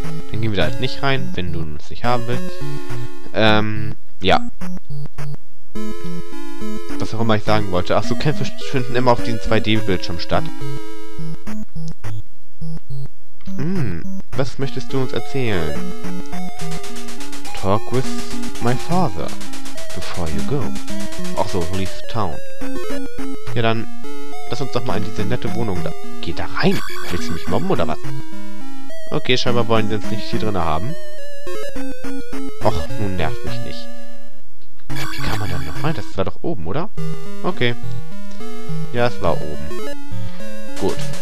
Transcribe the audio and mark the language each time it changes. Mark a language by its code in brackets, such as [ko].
[de] Dann gehen wir da halt nicht rein, wenn du es nicht haben willst. Ja. Was auch immer ich sagen wollte. Achso, Kämpfe finden immer auf diesem 2D-Bildschirm statt. Was möchtest du uns erzählen? [en] Talk with my father before you go. Achso, leave town. [de] Ja, dann lass uns doch mal in diese nette Wohnung da. Geh da rein! Willst du mich mobben oder was? Okay, scheinbar wollen sie uns nicht hier drin haben. Och, nun nervt mich nicht. Wie kann man denn noch rein? Das war doch oben, oder? Okay. Ja, es war oben. Gut.